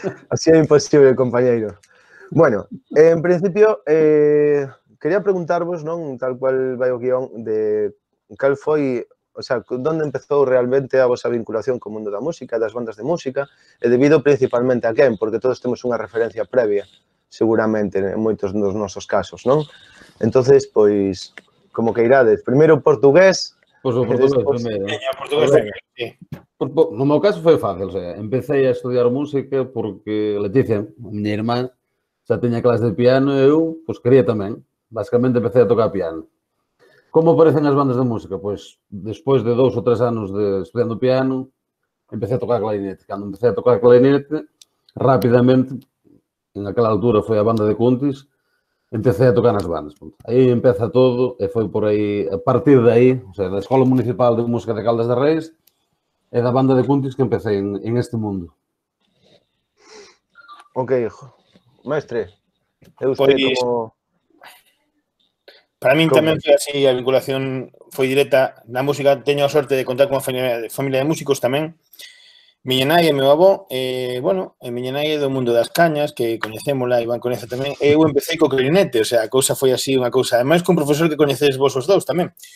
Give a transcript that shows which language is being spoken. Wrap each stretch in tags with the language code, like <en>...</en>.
<es>Así es imposible, compañero. Bueno, en principio, quería preguntarvos, ¿no?</es> <gl>Tal cual va o guión, de cal foi, o sea,</gl> <es>¿dónde empezó realmente</es> <gl>a vosa vinculación con o mundo da música, das bandas de música? E debido principalmente a quen? Porque todos temos unha referencia previa, seguramente, en moitos dos nosos casos, ¿no? Entonces, pois, como que irades, primeiro portugués. Pois o portugués primeiro. Portugués primeiro. No meu caso foi fácil, o sea,</gl> <es>empecé a estudiar música</es> <gl>porque Leticia, a miña irmá, xa teña clase de piano e eu, pois, quería tamén. Básicamente, empecé a tocar piano. Como aparecen as bandas de música? Pois, despois de dous ou tres anos de estudiando piano, empecé a tocar clarinete. Cando empecé a tocar clarinete, rapidamente, en aquela altura foi a banda de Cuntis, empecé a tocar nas bandas. Aí empeza todo e foi por aí, a partir de aí, o sea, da Escola Municipal de Música de Caldas de Reis e da banda de Cuntis que empecé en este mundo.</gl> <es>Ok, hijo.</es> <gl>Maestre, eu estou pues, como... Para min tamén foi así, a vinculación foi directa na música. Teño a sorte de contar con a familia de músicos tamén. Miña nai e meu avó, bueno, e miña nai do mundo das cañas, que coñecémola, Iván coñece tamén, eu empecé co clarinete, o sea, a cousa foi así, unha cousa, ademais cun profesor que coñecedes vos os dous tamén,</gl>